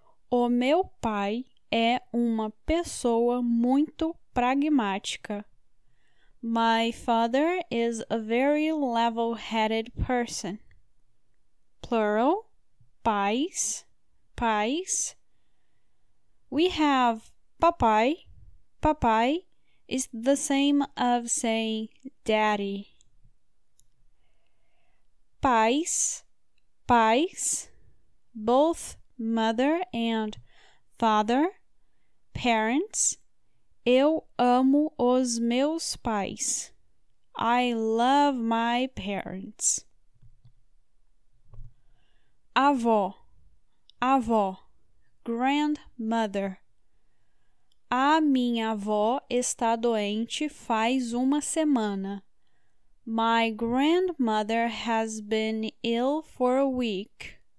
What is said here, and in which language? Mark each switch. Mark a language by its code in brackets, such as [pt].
[pt] O meu pai é uma pessoa muito pragmática. [en] My father is a very level-headed person. [pt] Plural. Pais. [en] We have papai. Papai is the same of saying daddy. Pais, both mother and father, parents. [pt] Eu amo os meus pais. [en] I love my parents. Avó, grandmother. [pt] A minha avó está doente faz uma semana. [en] My grandmother has been ill for a week.